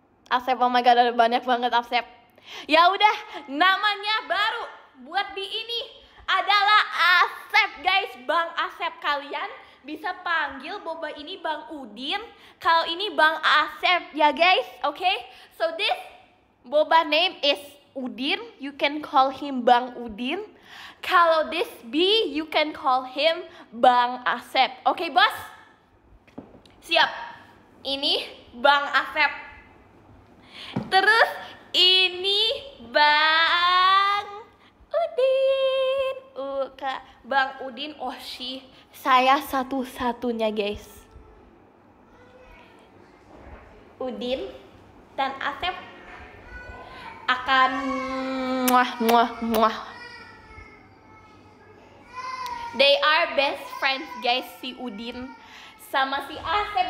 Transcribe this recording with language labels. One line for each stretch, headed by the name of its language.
Indonesian: Asep,
English: oh my god,
Indonesian: ada banyak banget Asep. Ya udah, namanya baru buat B ini adalah Asep guys. Bang Asep, kalian bisa panggil Boba ini Bang Udin, kalau ini Bang Asep ya guys.
English: Okay, so this Boba name is Udin, you can call him Bang Udin.
Indonesian: Kalau
English: this B, you can call him Bang Asep.
Indonesian: Okay bos, siap. Ini Bang Asep. Terus ini Bang Udin. Kak Bang Udin Oshi. Saya satu-satunya guys. Udin dan Asep akan muah muah muah.
English: They are best friends guys,
Indonesian: si Udin sama si Asep.